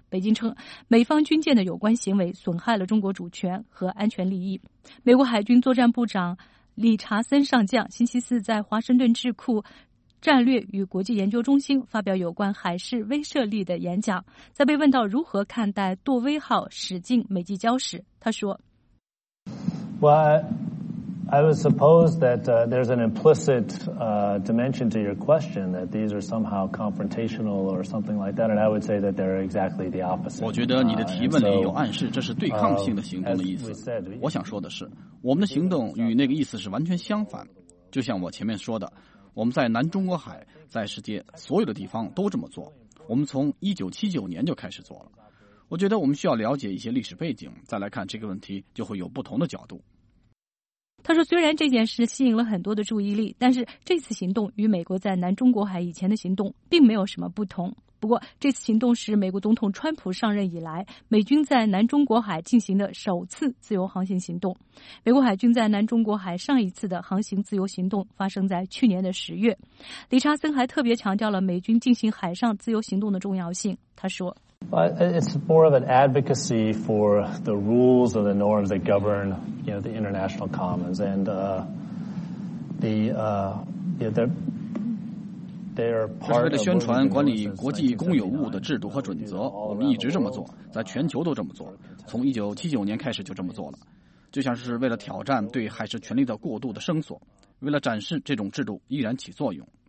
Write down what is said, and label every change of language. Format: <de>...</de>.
<zh>北京称，美方军舰的有关行为损害了中国主权和安全利益。美国海军作战部长理查森上将星期四在华盛顿智库战略与国际研究中心发表有关海事威慑力的演讲，在被问到如何看待杜威号驶进美济礁时，他说</zh> <en>：“Well, I would suppose that there's an implicit dimension to your question that these are somehow confrontational or something like that, and I would say that they're exactly the opposite。”</en> <zh>我觉得你的提问里有暗示，这是对抗性的行动的意思。我想说的是，我们的行动与那个意思是完全相反。就像我前面说的。我们在南中国海，在世界所有的地方都这么做。我们从1979年就开始做了。我觉得我们需要了解一些历史背景，再来看这个问题，就会有不同的角度。他说，虽然这件事吸引了很多的注意力，但是这次行动与美国在南中国海以前的行动并没有什么不同。不过，这次行动是美国总统川普上任以来，美军在南中国海进行的首次自由航行行动。美国海军在南中国海上一次的航行自由行动发生在去年的10月。理查森还特别强调了美军进行海上自由行动的重要性。他说</zh> <en>：“It's more of an advocacy for the rules or the norms that govern, you know, the international commons and the.”</en> <zh>这是为了宣传管理国际公有物的制度和准则，我们一直这么做，在全球都这么做，从1979年开始就这么做了，就像是为了挑战对海事权力的过度的声索，为了展示这种制度依然起作用。</zh>